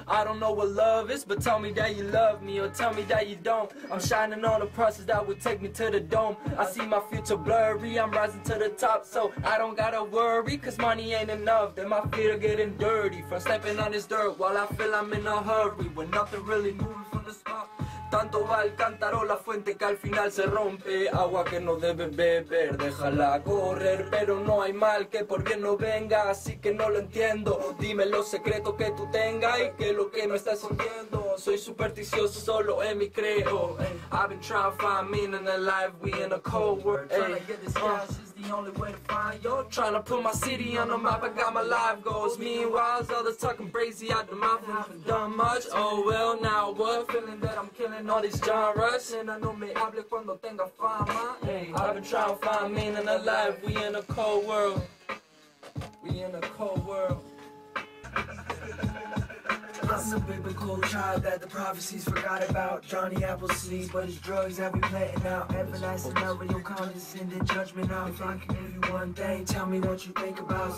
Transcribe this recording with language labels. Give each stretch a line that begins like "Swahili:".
English: I don't know what love is, but tell me that you love me, or tell me that you don't. I'm shining on the process that would take me to the dome. I see my future blurry, I'm rising to the top, so I don't gotta worry, cause money ain't enough. Then my feet are getting dirty from stepping on this dirt while I feel I'm in a hurry. When nothing really moving from the spot.
Spanish: Tanto va el cántaro, la fuente que al final se rompe. Agua que no debes beber, déjala correr. Pero no hay mal que por bien no venga, así que no lo entiendo. Dime los secretos que tú tengas y que lo que no estás sintiendo. Soy supersticioso, solo en mi creo.
English: I've been trying to find meaning in life, we in a cold world. Trying to get this cash is the only way to find you. Trying to put my city on the map, I got my life goals. Meanwhile, others talking crazy out the mouth. I haven't done much, oh well, now what? Feeling that I'm killing all these genres. And I know
Spanish: me hable cuando tenga fama.
English: I've been trying to find meaning in life, we in a cold world. We in a cold world. I'm the biblical child that the prophecies forgot about. Johnny Appleseed, but it's drugs that we planting out. Everlasting love with your condescending judgment now. If I can give you one thing, tell me what you think about.